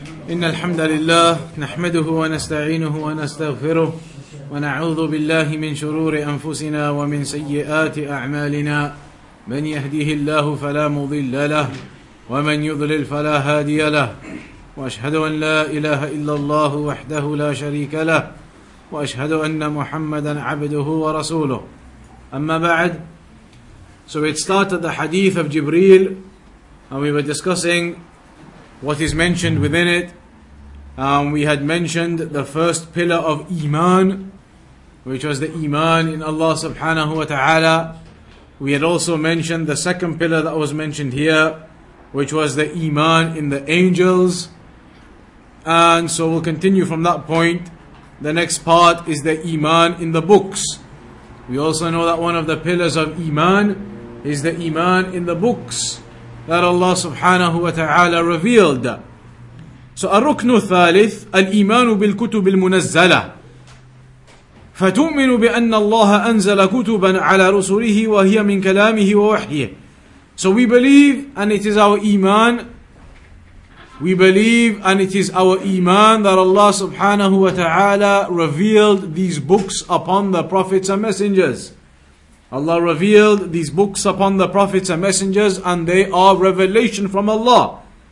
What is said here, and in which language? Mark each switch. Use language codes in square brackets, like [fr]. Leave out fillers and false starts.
[ar] إن الحمد لله نحمده ونستعينه ونستغفره ونعوذ بالله من شرور أنفسنا ومن سيئات أعمالنا من يهديه الله فلا مضل له ومن يضلل فلا هادي له وأشهد أن لا إله إلا الله وحده لا شريك له وأشهد أن محمدا عبده ورسوله أما بعد. [en] So it started the hadith of Jibreel, and we were discussing what is mentioned within it. We had mentioned the first pillar of Iman, which was the Iman in Allah subhanahu wa ta'ala. We had also mentioned the second pillar that was mentioned here, which was the Iman in the angels. And so we'll continue from that point. The next part is the Iman in the books. We also know that one of the pillars of Iman is the Iman in the books that Allah subhanahu wa ta'ala revealed. [ar] So الركن الثالث الإيمان بالكتب المنزلة فتؤمن بأن الله أنزل كتبا على رسله وهي من كلامه ووحيه. [en] So we believe and it is our Iman. We believe and it is our Iman that Allah subhanahu wa ta'ala revealed these books upon the prophets and messengers. Allah revealed these books upon the prophets and messengers, and they are revelation from Allah.